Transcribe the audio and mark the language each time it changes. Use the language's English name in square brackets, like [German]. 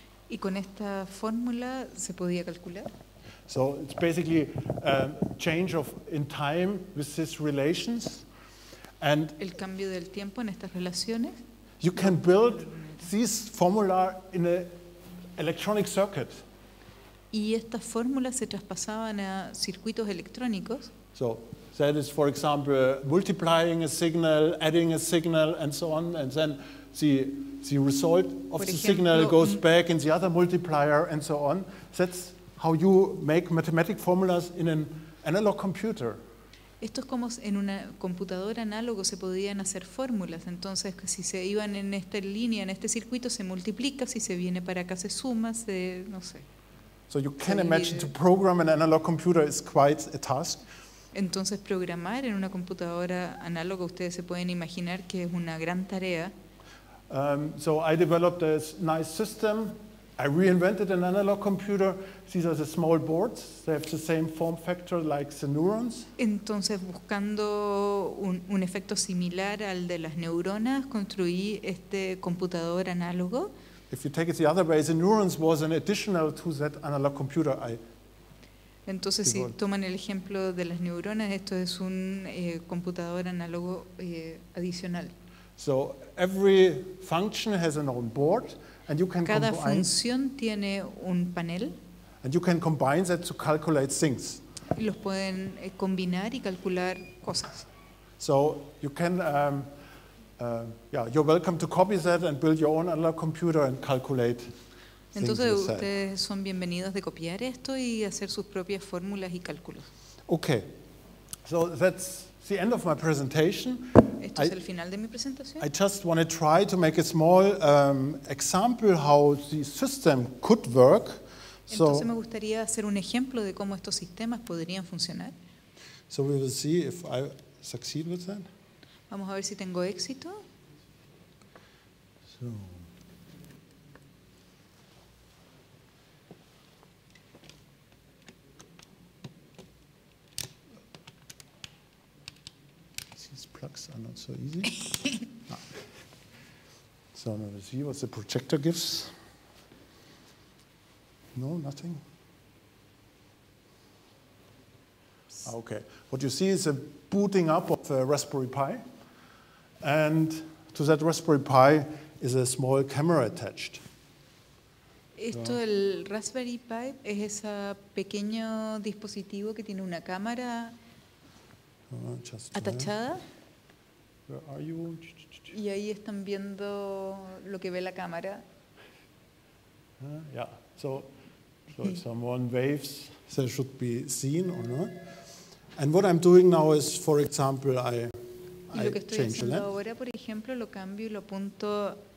[Spanish] Y con esta fórmula se podía calcular. [English] So it's basically a change of in time with these relations. And [Spanish] el cambio del tiempo en estas relaciones. [English] You can build this formula in a electronic circuit. [Spanish] Y estas fórmulas se traspasaban a circuitos electrónicos. [English] So that is, for example, multiplying a signal, adding a signal, and so on, and then the result of [Spanish] Por [English] the [Spanish] ejemplo, [English] signal goes back in the other multiplier, and so on. That's how you make mathematical formulas in an analog computer. [Spanish] Esto es como en una computadora análogo se podían hacer fórmulas. Entonces, si se iban en esta línea, en este circuito, se multiplica. Si se viene para acá, se suma, se, no sé. [English] So you can imagine to program an analog computer is quite a task. [Spanish] Entonces, programar en una computadora análoga, ustedes se pueden imaginar que es una gran tarea. [English] So I developed a nice system. I reinvented an analog computer. These are the small boards. They have the same form factor like the neurons. [Spanish] Entonces, buscando un efecto similar al de las neuronas, construí este computador análogo. [English] If you take it the other way, the neurons was an additional to that analog computer. [Spanish] Entonces, si toman el ejemplo de las neuronas, esto es un computador análogo adicional. [English] So every function has an own board. And you can [Spanish] Cada función tiene un panel. [English] And you can combine that to calculate things. [Spanish] Y los pueden combinar y calcular cosas. [English] So you can, you're welcome to copy that and build your own analog computer and calculate. [Spanish] Entonces [English] things [Spanish] ustedes son bienvenidos de copiar esto y hacer sus propias fórmulas y cálculos. [English] Okay, so that's the end of my presentation. [Spanish] Esto es el final de mi presentación. [English] I just want to try to make a small example how the system could work. [Spanish] Entonces me gustaría hacer un ejemplo de cómo estos sistemas podrían funcionar. [English] So we will see if I succeed with that. [Spanish] Vamos a ver si tengo éxito. [English] So. Plugs are not so easy. So now let's see what the projector gives. No, nothing. Okay. What you see is a booting up of a Raspberry Pi. And to that Raspberry Pi is a small camera attached. [Spanish] Esto, el Raspberry Pi, es ese pequeño dispositivo que tiene una cámara. atachada. [English] Where are you? [Spanish] Y ahí están viendo lo que ve la cámara. [English] Yeah, so if someone waves, they should be seen or not. And what I'm doing now is, for example, I change the lens. [Spanish] Lo que estoy haciendo ahora, por ejemplo, lo cambio y lo apunto.